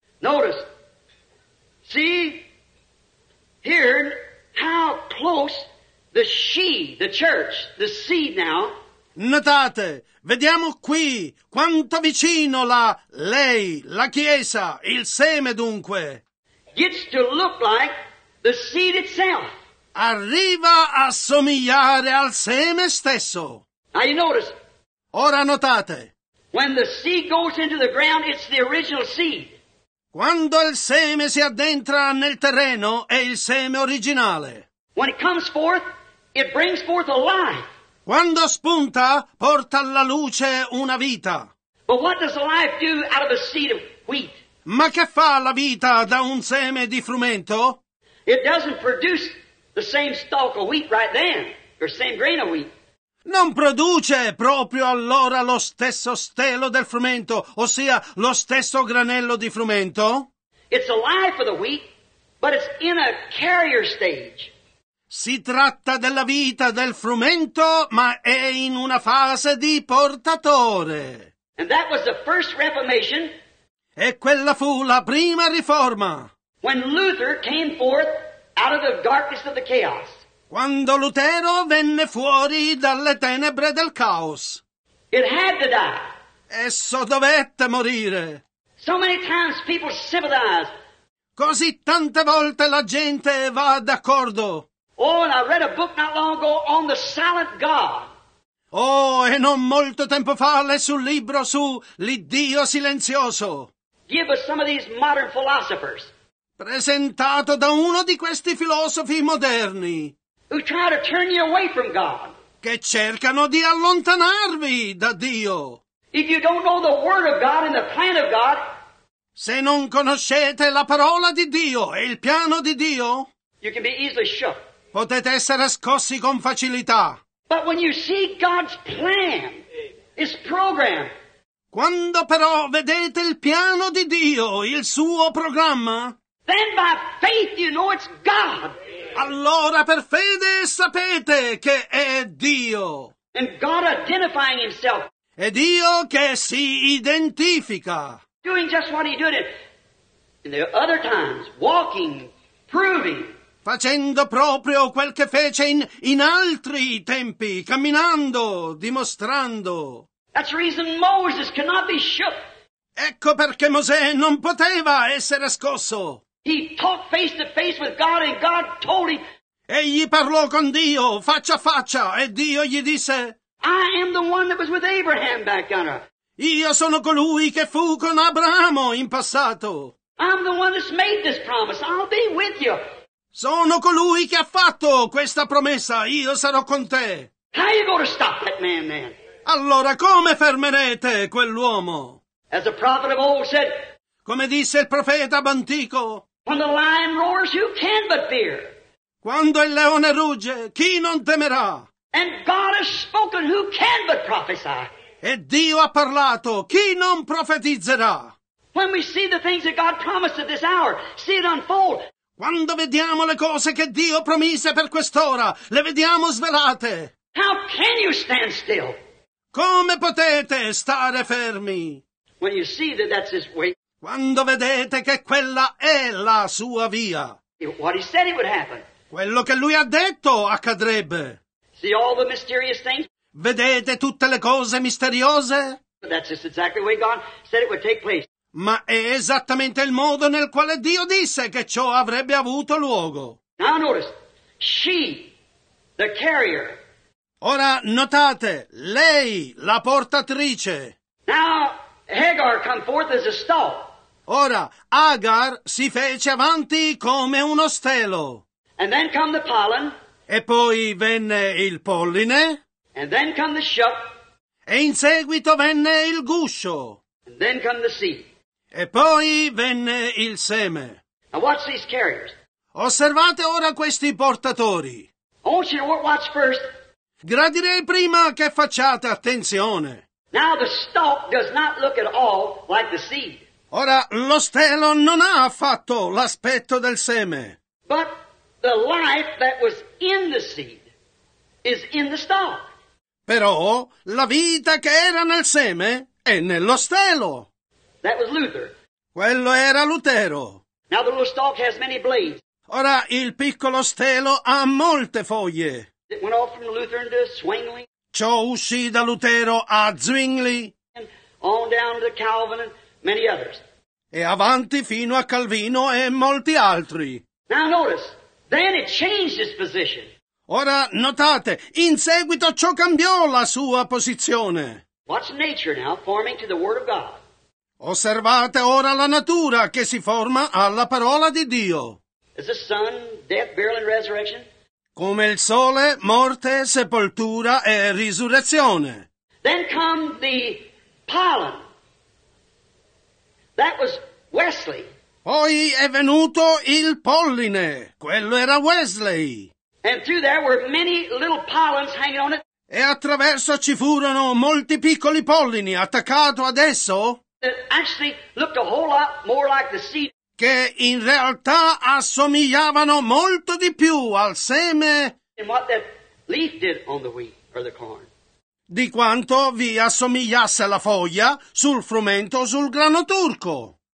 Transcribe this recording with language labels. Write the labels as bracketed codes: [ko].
[en] Notice. See here how close the she, the church, the seed now. [it] Notate, vediamo qui quanto vicino la lei, la chiesa, il seme dunque. [en] Gets to look like the seed itself. [it] Arriva a somigliare al seme stesso. [en] Now you notice. [it] Ora notate. [en] When the seed goes into the ground, it's the original seed. [it] Quando il seme si addentra nel terreno, è il seme originale. [en] When it comes forth, it brings forth a life. [it] Quando spunta, porta alla luce una vita. [en] But what does life do out of a seed of wheat? [it] Ma che fa la vita da un seme di frumento? [en] It doesn't produce the same stalk of wheat right then, or same grain of wheat. [it] Non produce proprio allora lo stesso stelo del frumento, ossia lo stesso granello di frumento? [en] It's alive for the wheat, but it's in a carrier stage. [it] Si tratta della vita del frumento, ma è in una fase di portatore. [en] And that was the first Reformation. [it] E quella fu la prima riforma. [en] When Luther came forth out of the darkness of the chaos. [it] Quando Lutero venne fuori dalle tenebre del caos. [en] It had to die. [it] Esso dovette morire. [en] So many times people sympathize. [it] Così tante volte la gente va d'accordo. [en] Oh, and I read a book not long ago on the silent God. [it] Oh, e non molto tempo fa lessi un libro su l'Iddio silenzioso. [en] Give us some of these modern philosophers. [it] Presentato da uno di questi filosofi moderni. [en] Who try to turn you away from God. [it] Che cercano di allontanarvi da Dio. [en] If you don't know the word of God and the plan of God. [it] Se non conoscete la parola di Dio e il piano di Dio. [en] You can be easily shook. [it] Potete essere scossi con facilità. [en] But when you see God's plan, His program. [it] Quando però vedete il piano di Dio, il suo programma. [en] Then by faith you know it's God. [it] Allora per fede sapete che è Dio. [en] And God identifying himself. [it] È Dio che si identifica. [en] Doing just what he did in the other times, walking, proving. [it] Facendo proprio quel che fece in altri tempi, camminando, dimostrando. [en] That's the reason Moses cannot be shook. [it] Ecco perché Mosè non poteva essere scosso. [en] He talked face to face with God and God told him. [it] Egli parlò con Dio faccia a faccia e Dio gli disse. [en] I am the one that was with Abraham back then. [it] Io sono colui che fu con Abramo in passato. [en] I'm the one that's made this promise. I'll be with you. [it] Sono colui che ha fatto questa promessa. Io sarò con te. [en] How are you going to stop that man then? [it] Allora come fermerete quell'uomo? [en] As the prophet of old said, [it] come disse il profeta antico, [en] when the lion roars, who can but fear? [it] Quando il leone rugge, chi non temerà? [en] And God has spoken, who can but prophesy? [it] E Dio ha parlato, chi non profetizzerà? [en] When we see the things that God promised at this hour, see it unfold. [it] Quando vediamo le cose che Dio promise per quest'ora, le vediamo svelate. [en] How can you stand still? [it] Come potete stare fermi? [en] When you see that that's his way. [it] Quando vedete che quella è la sua via. [en] What he said it would happen. [it] Quello che lui ha detto accadrebbe. [en] See all the mysterious things? [it] Vedete tutte le cose misteriose? [en] That's just exactly the way God said it would take place. [it] Ma è esattamente il modo nel quale Dio disse che ciò avrebbe avuto luogo. [en] Now notice, she, the carrier. [it] Ora notate, lei, la portatrice. [en] Now Hagar come forth as a stall. [it] Ora Hagar si fece avanti come uno stelo. [en] And then come the pollen. [it] E poi venne il polline. [en] And then come the shuck. [it] E in seguito venne il guscio. [en] And then come the seed. [it] E poi venne il seme. [en] Now watch these carriers. [it] Osservate ora questi portatori. [en] I want you to watch first. [it] Gradirei prima che facciate attenzione. [en] Now the stalk does not look at all like the seed. [it] Ora lo stelo non ha affatto l'aspetto del seme. [en] But the life that was in the seed is in the stalk. [it] Però la vita che era nel seme è nello stelo. [en] That was Luther. [it] Quello era Lutero. [en] Now the little stalk has many blades. [it] Ora il piccolo stelo ha molte foglie. [en] It went off from Luther into Zwingli. [it] Ciò uscì da Lutero a Zwingli. [en] And on down to Calvin and many others. [it] E avanti fino a Calvino e molti altri. [en] Now notice, then it changed its position. [it] Ora notate, in seguito ciò cambiò la sua posizione. [en] Watch nature now forming to the word of God. [it] Osservate ora la natura che si forma alla parola di Dio. [en] As the sun, death, burial, and resurrection. [it] Come il sole, morte, sepoltura e risurrezione. [en] Then come the pollen. That was Wesley. [it] Poi è venuto il polline. Quello era Wesley. [en] And through there were many little pollens hanging on it. [it] E attraverso ci furono molti piccoli pollini attaccato ad esso. [en] That actually looked a whole lot more like the seed. [it] Che in realtà assomigliavano molto di più al seme. [en] And what that leaf did on the wheat or the corn. [it] Di quanto vi assomigliasse la foglia sul frumento o sul grano turco.